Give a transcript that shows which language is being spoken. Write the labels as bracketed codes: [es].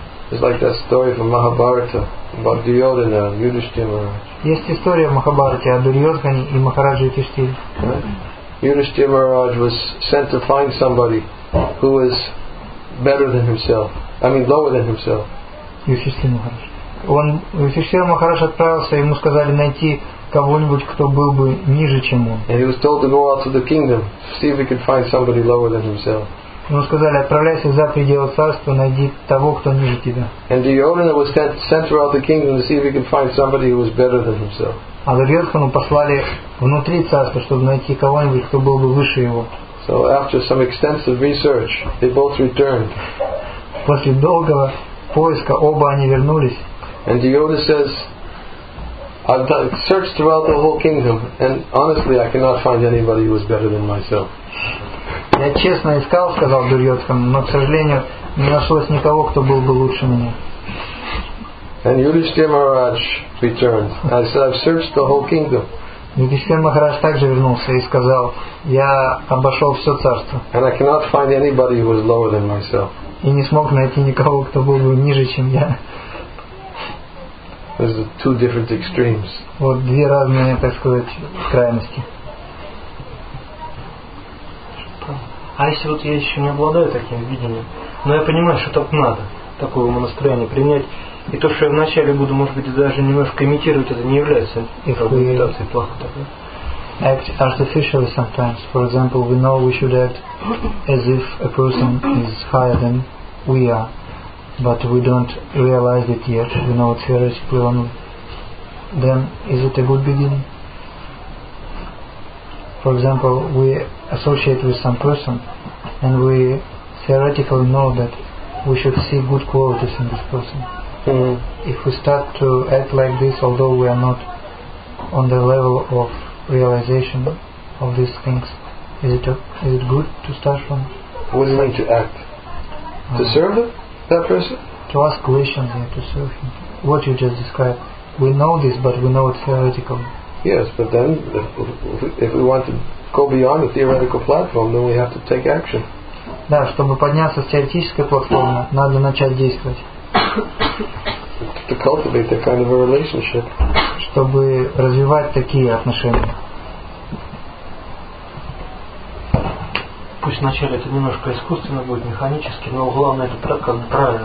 [en] It's like that story from Mahabharata about Duryodhana and Yudhishthira. [ru] Есть история в Махабхарате о Дурьодхане и Махараджи Юдхиштхире. [en] Yudhishthira Maharaj was sent to find somebody who was better than himself. Lower than himself. [ru] Юдхиштхира Махарадж. Юдхиштхира Махарадж отправился, ему сказали найти кого-нибудь, кто был бы ниже, чем он. [en] And he was told to go out to the kingdom, see if he could find somebody lower than himself. [ru] Ему сказали, отправляйся за пределы царства, найди того, кто ниже тебя. [en] And Duryodhana was sent throughout the kingdom to see if he could find somebody who was better than himself. [ru] А Дурьодхану послали внутри царства, чтобы найти кого-нибудь, кто был бы выше его. [en] So after some extensive research, they both returned. [ru] После долгого поиска оба они вернулись. [en] And Duryodhana says, I've searched throughout the whole kingdom, and honestly, I cannot find anybody who is better than myself. [ru] Я честно искал, сказал Дурьодхана, но, к сожалению, не нашлось никого, кто был бы лучше меня. [en] And Yudhishthira Maharaj returned. I said, I've searched the whole kingdom, [ru] Нитисхен Махарадж также вернулся и сказал: я обошел все царство. [en] And I cannot find anybody who is lower than myself. [ru] И не смог найти никого, кто был бы ниже, чем я. [en] There's two different extremes. [ru] Вот две разные, так сказать, крайности. А если вот я еще не обладаю таким видением, но я понимаю, что так надо, такое умонастроение принять, и то, что я вначале буду, может быть, даже немножко имитировать, это не является имитацией плохой такой. [en] Act artificially sometimes. For example, we know we should act as if a person is higher than we are, but we don't realize it yet. We know it's theoretically only. Then is it a good beginning? For example, we associate with some person and we theoretically know that we should see good qualities in this person. Mm-hmm. If we start to act like this, although we are not on the level of realization of these things, is it good to start from? What do you mean to act? To serve them, that person? To ask questions and to serve him. What you just described. We know this, but we know it's theoretical. Yes, but then if we want to go beyond the theoretical platform, then we have to take action. [ru] Да, чтобы подняться с теоретической платформы, надо начать действовать. [en] To cultivate that kind of a relationship. [ru] Чтобы развивать такие отношения. Пусть вначале это немножко искусственно будет, механически, но главное это так, как правильно.